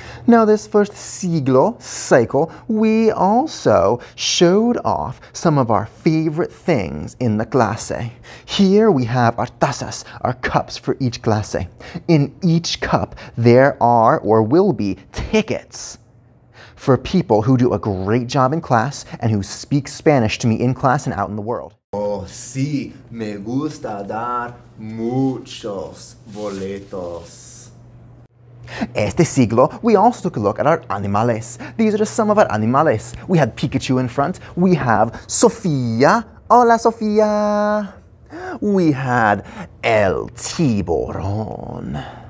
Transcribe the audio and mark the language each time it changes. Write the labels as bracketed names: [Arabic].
[English] Now this first [Spanish] siglo, [English] cycle, we also showed off some of our favorite things in the clase. Here we have our [Spanish] tazas, [English] our cups for each clase. In each cup, there are or will be tickets for people who do a great job in class and who speak Spanish to me in class and out in the world. [Spanish] Oh, sí, me gusta dar muchos boletos. Este siglo, [English] we also took a look at our [Spanish] animales. [English] These are just some of our animales. We had Pikachu in front. We have Sofía. [Spanish] Hola, Sofía. [English] We had [Spanish] el tiburón.